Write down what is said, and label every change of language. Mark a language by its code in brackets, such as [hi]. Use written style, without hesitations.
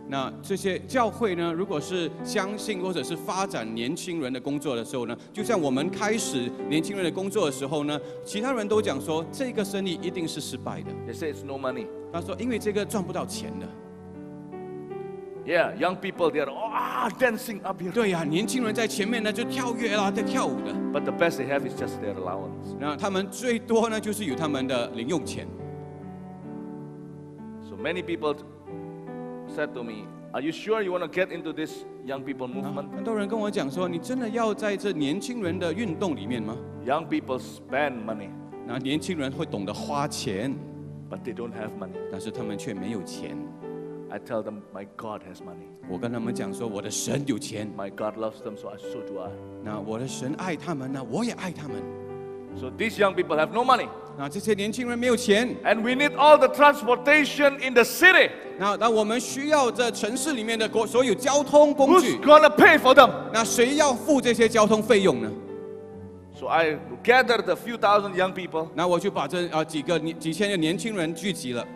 [zh] 那这些教会呢，如果是相信或者是发展年轻人的工作的时候呢，就像我们开始年轻人的工作的时候呢，其他人都讲说这个生意一定是失败的。 [en] They say it's no money. [zh] 他说因为这个赚不到钱的。 [en] Yeah, young people, they are dancing up here. [zh] 对呀，年轻人在前面呢就跳跃啦，在跳舞的。 [en] But the best they have is just their allowance. [zh] 那他们最多呢就是有他们的零用钱。 [en] So many people. Said to me, "Are you sure you want to get into this young people movement?" [zh] 很多人跟我讲说，你真的要在这年轻人的运动里面吗 [en] ？Young people spend money. [zh] 那年轻人会懂得花钱 [en] ，but they don't have money. [zh] 但是他们却没有钱。 [en] I tell them, "My God has money." [zh] 我跟他们讲说，我的神有钱。 [en] My God loves them, so do I. [zh] 那我的神爱他们，那我也爱他们。 [en] So these young people have no money. [zh] 那这些年轻人没有钱。 [en] And we need all the transportation in the city. [zh] 那我们需要这城市里面的所有交通工具。 [en] Who's gonna pay for them? [zh] 那谁要付这些交通费用呢 [en] ？So I gathered a few thousand young people. [zh] 那我就把这几千的年轻人聚集了。